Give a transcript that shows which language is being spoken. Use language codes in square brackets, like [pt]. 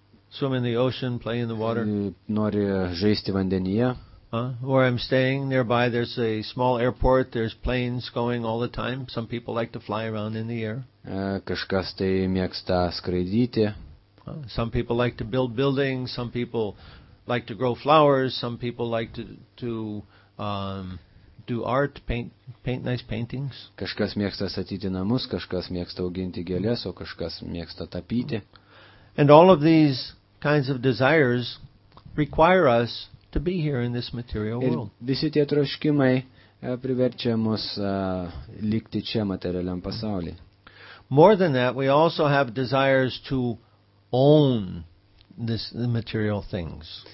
[en] swim in the ocean, play in the water. [lt] Nori žaisti vandenyje. [en] Where I'm staying nearby there's a small airport, there's planes going all the time. Some people like to fly around in the air. [lt] Kažkas tai mėgsta skraidyti. [en] Some people like to build buildings, some people like to grow flowers, some people like to do art, paint nice paintings. [lt] Kažkas mėgsta statyti namus, kažkas mėgsta auginti gėles, o kažkas mėgsta tapyti. [en] And all of these kinds of desires require us to be here in this material world. [lt] Visi tie troškimai priverčia mus likti čia materialiam pasaulyje. [en] More than that, we also have desires to own this material things.